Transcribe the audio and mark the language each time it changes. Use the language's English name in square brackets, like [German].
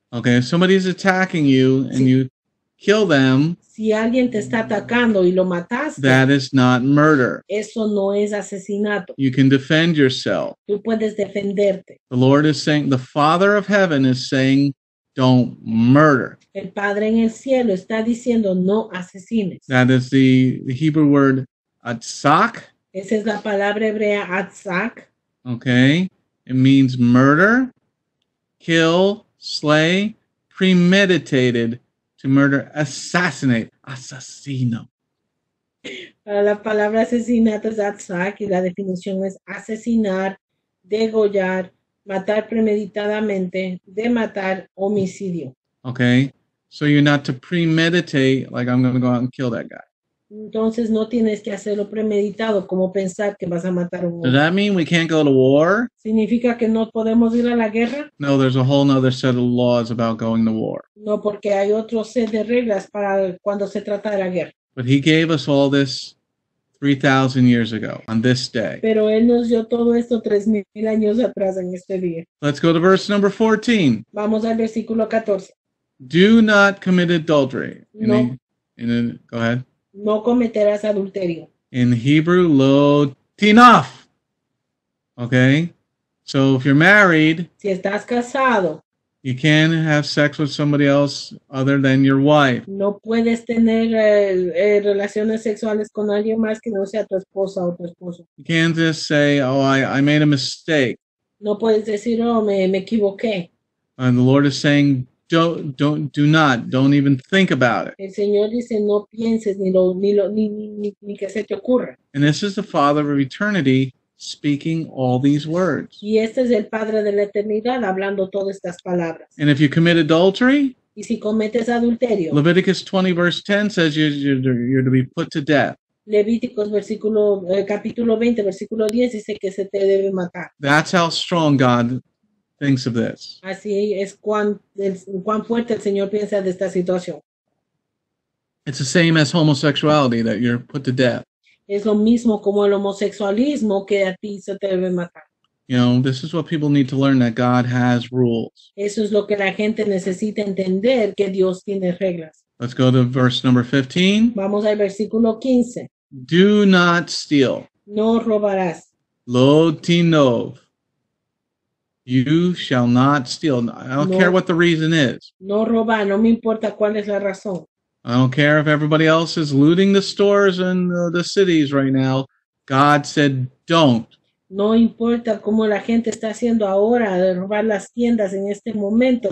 [English] Okay, if somebody's attacking you and you kill them. [Spanish] Si alguien te está atacando y lo mataste. [English] That is not murder. [Spanish] Eso no es asesinato. [English] You can defend yourself. [Spanish] Tú puedes defenderte. [English] The Lord is saying, the Father of Heaven is saying, don't murder. [Spanish] El Padre en el cielo está diciendo no asesines. [English] That is the Hebrew word atzak. [Spanish] Esa es la palabra hebrea atzak. [English] Okay. It means murder, kill, slay, premeditated to murder, assassinate, asesino. [Spanish] La palabra asesinato es atzak y la definición es asesinar, degollar, matar premeditadamente, de matar, homicidio. [English] Okay, so you're not to premeditate, like I'm going to go out and kill that guy. [Spanish] Entonces no tienes que hacerlo premeditado, como pensar que vas a matar a un hombre. [English] Does that mean we can't go to war? [Spanish] ¿Significa que no podemos ir a la guerra? [English] No, there's a whole other set of laws about going to war. [Spanish] No, porque hay otro set de reglas para cuando se trata de la guerra. [English] But he gave us all this 3,000 years ago, on this day. [Spanish] Pero él nos dio todo esto 3,000 años atrás en este día. [English] Let's go to verse number 14. [Spanish] Vamos al versículo 14. [English] Do not commit adultery. [Spanish] No. [English] Go ahead. [Spanish] No cometerás adulterio. [English] In Hebrew, [Hebrew] lo tinaf. [English] Okay? So if you're married, [Spanish] si estás casado, [English] you can't have sex with somebody else other than your wife. [Spanish] No puedes tener relaciones sexuales con alguien más que no sea tu esposa o tu esposo. [English] You can't just say, oh, I made a mistake. [Spanish] No puedes decir, oh, me equivoqué. [English] And the Lord is saying, don't even think about it. [Spanish] El Señor dice, no pienses ni que se te ocurra. [English] And this is the Father of Eternity speaking all these words. [Spanish] Y este es el Padre de la Eternidad hablando todas estas palabras. [English] And if you commit adultery, [Spanish] y si cometes adulterio, [English] Leviticus 20 verse 10 says you're to be put to death. [Spanish] Levíticos versículo capítulo 20 versículo 10 dice que se te debe matar. [English] That's how strong God thinks of this. [Spanish] Así es cuán fuerte el Señor piensa de esta situación. [English] It's the same as homosexuality, that you're put to death. [Spanish] Es lo mismo como el homosexualismo, que a ti se te debe matar. [English] You know, this is what people need to learn, that God has rules. [Spanish] Eso es lo que la gente necesita entender, que Dios tiene reglas. [English] Let's go to verse number 15. [Spanish] Vamos al versículo 15. [English] Do not steal. [Spanish] No robarás. [Hebrew] Lo tinov. [English] You shall not steal. I don't care what the reason is. [Spanish] No robar, no me importa cuál es la razón. [English] I don't care if everybody else is looting the stores and the cities right now. God said, don't. [Spanish] No importa cómo la gente está haciendo ahora de robar las tiendas en este momento.